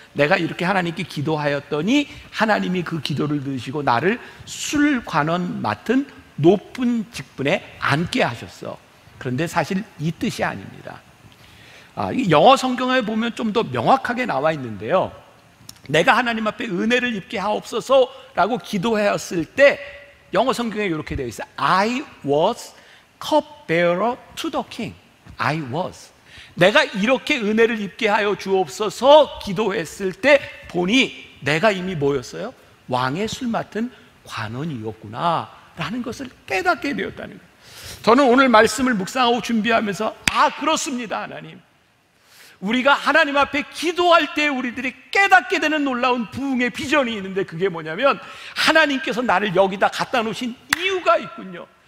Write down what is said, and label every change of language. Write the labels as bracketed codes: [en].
[ko] 내가 이렇게 하나님께 기도하였더니 하나님이 그 기도를 들으시고 나를 술관원 맡은 높은 직분에 앉게 하셨어. 그런데 사실 이 뜻이 아닙니다. 영어 성경에 보면 좀 더 명확하게 나와 있는데요, 내가 하나님 앞에 은혜를 입게 하옵소서 라고 기도하였을 때 영어 성경에 이렇게 되어 있어요. [en] I was cupbearer to the king. I was. [ko] 내가 이렇게 은혜를 입게 하여 주옵소서 기도했을 때 보니 내가 이미 뭐였어요? 왕의 술 맡은 관원이었구나 라는 것을 깨닫게 되었다는 거예요. 저는 오늘 말씀을 묵상하고 준비하면서, 아 그렇습니다 하나님, 우리가 하나님 앞에 기도할 때 우리들이 깨닫게 되는 놀라운 부흥의 비전이 있는데, 그게 뭐냐면 하나님께서 나를 여기다 갖다 놓으신 이유가 있군요.